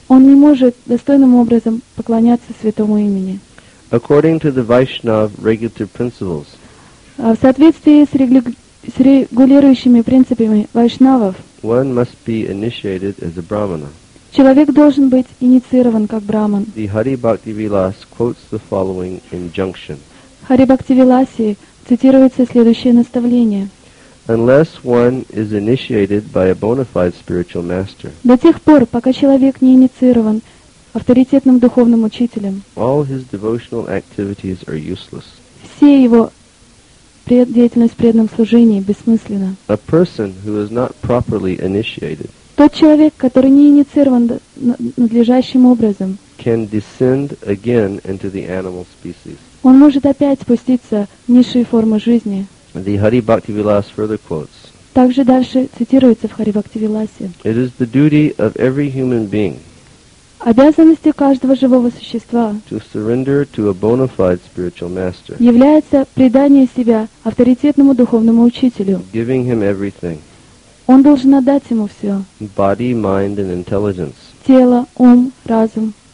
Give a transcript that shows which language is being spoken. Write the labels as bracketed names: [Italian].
[Russian] Он не может достойным образом поклоняться святому имени. [English] According to the Vaishnav regulative principles, [Russian] в соответствии с регулирующими принципами вайшнавов, [English] one must be initiated as a brahmana. [Russian] Человек должен быть инициирован как брахман. [English] The Hari Bhakti Vilas quotes the following injunction. [Russian] Hari Bhakti Vilasi цитируется следующее наставление. [English] Unless one is initiated by a bona fide spiritual master. [Russian] До тех пор, пока человек не инициирован авторитетным духовным учителем. [English] All his devotional activities are useless. [Russian] Все его деятельность в преданном служении бессмысленна. [English] A person who is not properly initiated. [Russian] тот человек, который не инициирован надлежащим образом, [English] can descend again into the animal species. [Russian] Он может опять спуститься в низшие формы жизни. [English] The Hari Bhakti Vilas further quotes. [Russian] Также дальше цитируется в Хари Бхакти Виласе. [English] It is the duty of every human being. [Russian] Обязанностью каждого живого существа [English] to surrender to a bona fide spiritual master. [Russian] Является предание себя авторитетному духовному учителю. [English] Giving him everything. [Russian] Он должен отдать ему все. [English] Body, mind, and intelligence. [Russian] Тело, ум, разум.